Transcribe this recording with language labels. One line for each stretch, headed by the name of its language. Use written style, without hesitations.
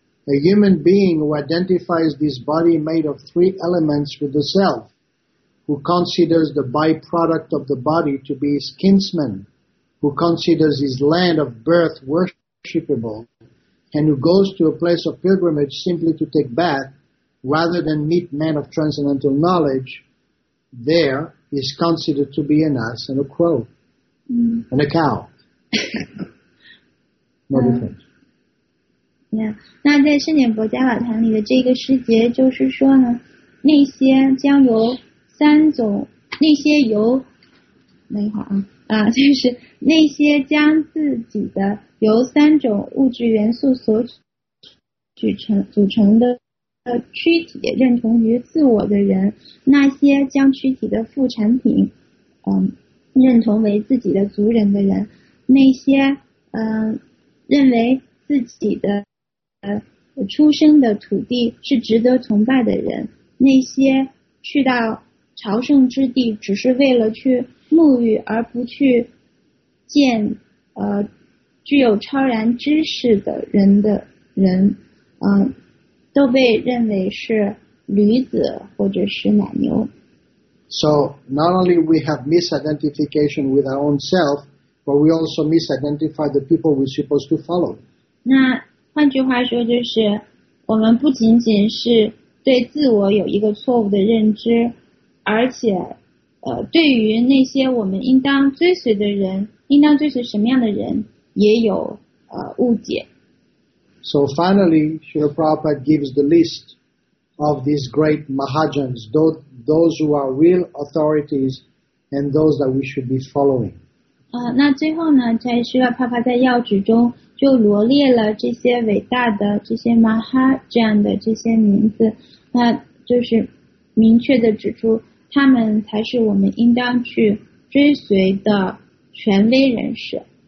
English: A human being who identifies this body made of three elements with the self, who considers the byproduct of the body to be his kinsman, who considers his land of birth worshipable, and who goes to a place of pilgrimage simply to take bath, rather than meet men of transcendental knowledge, there is considered to be an ass and a crow, and a cow. No difference. Yeah.
Chinese: 那在圣典佛家瓦坛里的这个世界就是说呢，那些将由三种，那些由，等一会儿啊。就是那些将自己的由三种物质元素所组成的躯体认同于自我的人，那些将躯体的副产品，认同为自己的族人的人，那些认为自己的出生的土地是值得崇拜的人，那些去到朝圣之地只是为了去沐浴而不去见具有超然知识的人的人都被认为是驴子或者是奶牛
English: So not only we have misidentification with our own self but we also misidentify the people we're supposed to follow
Chinese: 那换句话说就是我们不仅仅是对自我有一个错误的认知而且对于那些我们应当追随的人，应当追随什么样的人，也有误解。
English: So finally, Srila Prabhupada gives the list of these great Mahajans, those who are real authorities and those that we should be following.
Chinese: 那最后呢，在 Srila Prabhupada 在要旨中就罗列了这些伟大的这些马哈这样的这些名字，那就是明确的指出他们才是我们应当去追随的权威人士。